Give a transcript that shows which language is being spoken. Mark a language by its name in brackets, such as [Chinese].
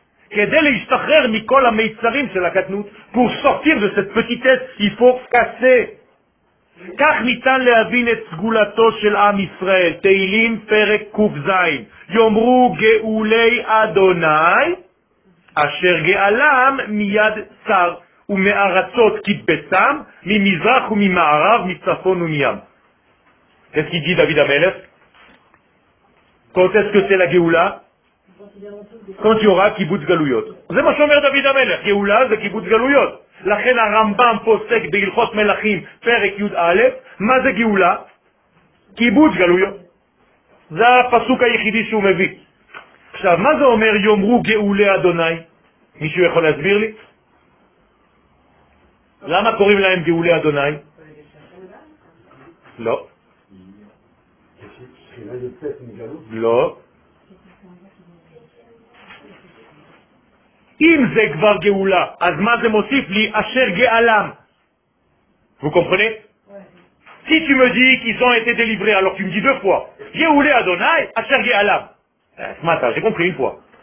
[Hebrew] כדי להשתחרר מכל המיצרים של הקטנות, [French] pour sortir de cette petitesse, il faut casser. [Hebrew] כך ניתן להבין את סגולתו של עם ישראל. תהילים פרק קופזיין. יאמרו גאולי אדוני אשר גאלם מיד צר ומארצות כתבטם ממזרח וממערב מצפון ומים. [French] Qu'est-ce qu'il dit David המלך? Quand est-ce que c'est la גאולה? Quand il y aura קיבוץ גלויות. [Hebrew] זה מה שאומר דוד המלך, גאולה זה קיבוץ גלויות. לכן הרמב״ם פוסק בהלכות מלכים פרק י' א', מה זה גאולה? קיבוץ גלויות. זה הפסוק היחידי שהוא מביא. עכשיו, מה זה אומר יאמרו גאולי אדוני? מישהו יכול להסביר לי? למה קוראים להם גאולי אדוני? לא. לא. אם זה כבר גאולה, אז מה זה מוסיף לי? אשר גאלם. וקומפנית? [French] Si tu me dis qu'ils ont été délivrés, alors tu me dis deux fois. [Hebrew] Géoulé Adonai, Asher Géalam. [French] Ce matin, j'ai compris une fois.